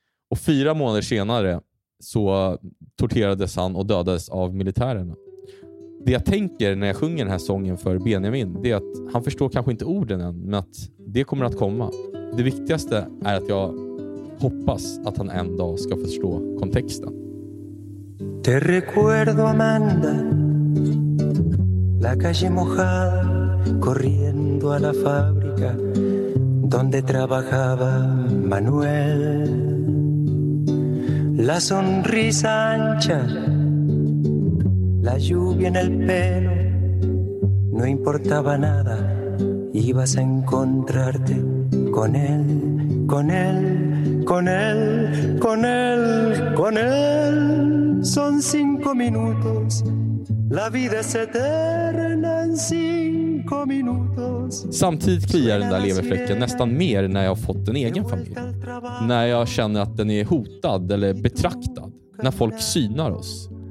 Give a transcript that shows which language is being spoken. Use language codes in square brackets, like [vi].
[sv] Och 4 månader senare så torterades han och dödades av militärerna. det jag tänker när jag sjunger den här sången för Benjamin, det är att han förstår kanske inte orden än, men att det kommer att komma. Det viktigaste är att jag hoppas att han en dag ska förstå kontexten. [es] Te recuerdo, Amanda, la calle mojada, corriendo a la fábrica donde trabajaba Manuel. La sonrisa ancha, la lluvia en el pelo, no importaba nada, ibas a encontrarte con él, con él, con él, con él, con él. Son cinco minutos, la vida es eterna en cinco minutos. [sv] Samtidigt kliar den där leverfläcken nästan mer när jag har fått en egen familj. När jag känner att den är hotad eller betraktad. När folk synar oss.